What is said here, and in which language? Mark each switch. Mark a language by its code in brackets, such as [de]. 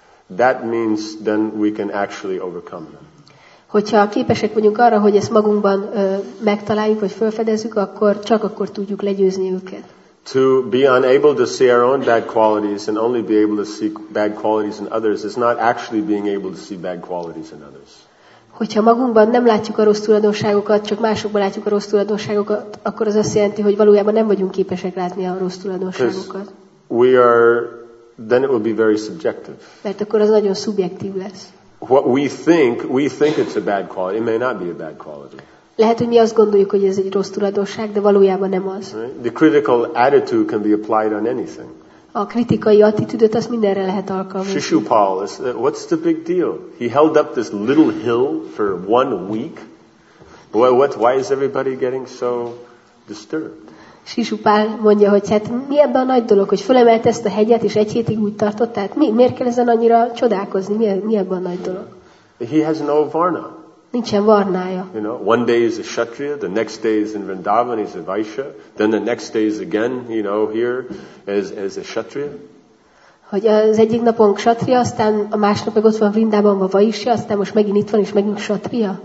[en] That means then we can actually overcome them. [hu] Hogyha képesek vagyunk arra, hogy ezt magunkban megtaláljuk vagy felfedezzük, akkor csak akkor tudjuk legyőzni őket. [en] To be unable to see our own bad qualities and only be able to see bad qualities in others is not actually being able to see bad qualities in others. [hu] Hogyha magunkban nem látjuk a rossz tulajdonságokat, csak másokban látjuk a rossz tulajdonságokat, akkor az azt jelenti, hogy valójában nem vagyunk képesek látni a rossz tulajdonságokat. [en] We are, then it will be very subjective. [hu] Mert akkor az nagyon szubjektív lesz. [en] What we think it's a bad quality, it may not be a bad quality. [hu] Lehet, hogy mi azt gondoljuk, hogy ez egy rossz tulajdonság, de valójában nem az. [en] Right? The critical attitude can be applied on anything. [hu] A kritikai attitűdöt azt mindenre lehet alkalmazni. [en] Shishupal, what's the big deal? He held up this little hill for one week. Well, why is everybody getting so disturbed? [hu] Shishupal mondja, hogy hát mi ebben a nagy dolog, hogy fölemelt ezt a hegyet és egy hétig úgy tartott, tehát miért kell ezen annyira csodálkozni? Mi ebben a nagy dolog? [en] He has no varna. [hu] Nincsen varnája. [en] You know, one day is a kshatriya, the next day is in Vrindavan, he's a vaishya, then the next day is again, you know, here as a kshatriya. [hu] Hogy az egyik napon kshatriya, aztán a másnap meg ott van Vrindavan, a vaishya, aztán most megint itt van és megint kshatriya.